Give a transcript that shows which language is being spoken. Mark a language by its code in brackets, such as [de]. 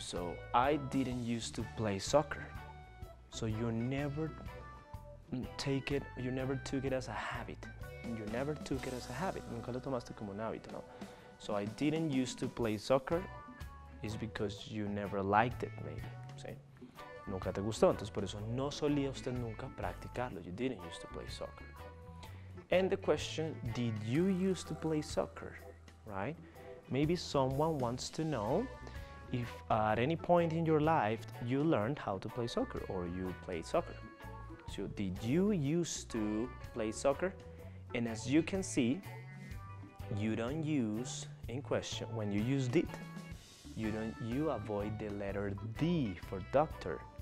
[en] So I didn't used to play soccer. So you never take it, you never took it as a habit. You never took it as a habit. [es] Nunca lo tomaste como un hábito, no? [en] So I didn't used to play soccer is because you never liked it, maybe, ¿sí? [es] Nunca te gustó, entonces por eso no solía usted nunca practicarlo. [en] You didn't used to play soccer. And the question, did you used to play soccer, right? Maybe someone wants to know if at any point in your life you learned how to play soccer or you played soccer. So did you used to play soccer? And as you can see, you don't use in question, when you use did, you avoid the letter D for doctor.